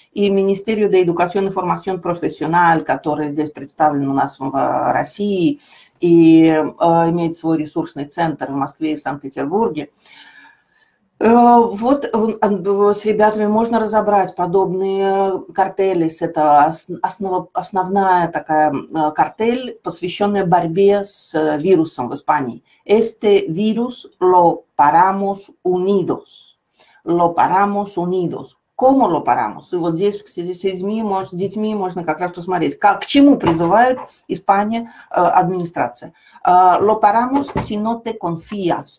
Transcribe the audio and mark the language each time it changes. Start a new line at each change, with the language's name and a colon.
Russian: И Министерио de Educación y Formación Profesional, которое здесь представлено у нас в России и имеет свой ресурсный центр в Москве и в Санкт-Петербурге. Вот с ребятами можно разобрать подобные картели. Это основная такая картель, посвященная борьбе с вирусом в Испании.
Spanish: Este virus lo paramos unidos. Lo paramos unidos. Como lo paramos?
Russian: И вот здесь с детьми можно как раз посмотреть, как, к чему призывает Испания администрация.
Spanish: Lo paramos si no te confías.